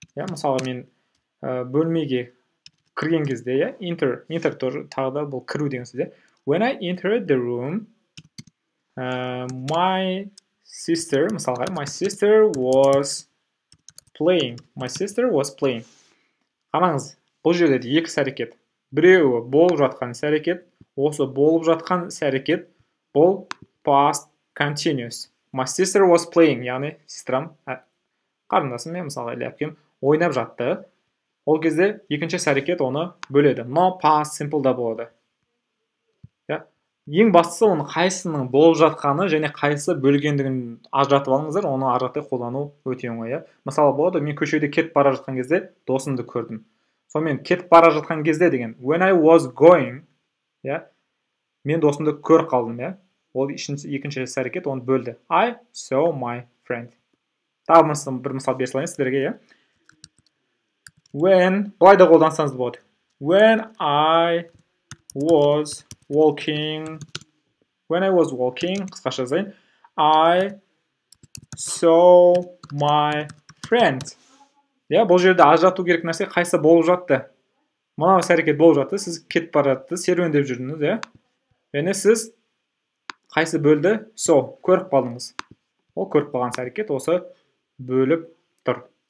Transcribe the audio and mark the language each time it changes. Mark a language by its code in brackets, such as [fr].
[kk] Мысалға, мен бөлмеге кірген кезде, enter тоже тағы да бұл кіру деген сөз. [en] When I entered the room, my sister was playing. [kk] Қараңыз, бұл жерде екі сәрекет. Біреуі болып жатқан сәрекет, осы болып жатқан сәрекет бұл past continuous. [en] My sister was playing, [kk] яғни сестрам, қарындасым, мысалға, әпкем ойнап жатты. Ол кезде екінші сәрекет оны бөледі. Now past simple да болады. Ең бастысы оның қайсының болып жатқаны және қайсы бөлгендігін ажыратып алыңыздар, оны ажыратып қолдану өте оңай. Мысалы болады, мен көшеде кетіп бара жатқан кезде досымды көрдім. Сонымен кетіп бара жатқан кезде деген [en] when I was going, [kk] мен досымды көр қалдым, ол екінші сәрекет оны бөлді. [en] I saw my friend. [kk] Тағы бір мысал бере салайын сіздерге. When, былай да қолдансаңыз болады. [en] When I was walking, when I was walking, [kk] қысқаша жазайын, [en] I saw my friend. [kk] Бұл жерде ажырату керек нәрсе қайсы болып жатты. Мынау сәрекет болып жатты, сіз кетіп бара жатты, серуендеп жүрдіңіз. Және сіз қайсы бөлді, сол, көріп қалдыңыз. Ол көріп қалған сәрекет осы бөліп тұр.